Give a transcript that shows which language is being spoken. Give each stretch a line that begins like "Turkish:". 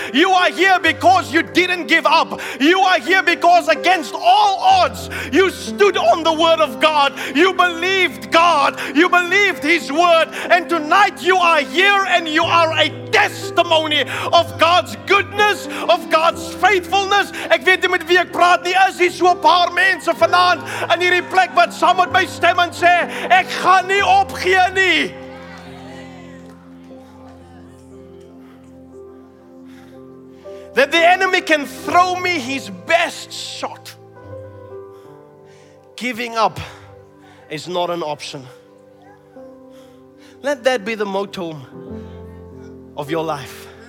English: You are here because you didn't give up. You are here because against all odds, you stood on the word of God. You believed God. You believed His word. And tonight you are here and you are a testimony of God's goodness, of God's faithfulness.
Afrikaans: Ek weet jy moet wie ek praat nie. Is hier so 'n paar mense vanaand in hierdie plek wat saam met my stem en sê, ek gaan nie opgee nie.
English: That the enemy can throw me his best shot. Giving up is not an option. Let that be the motto of your life.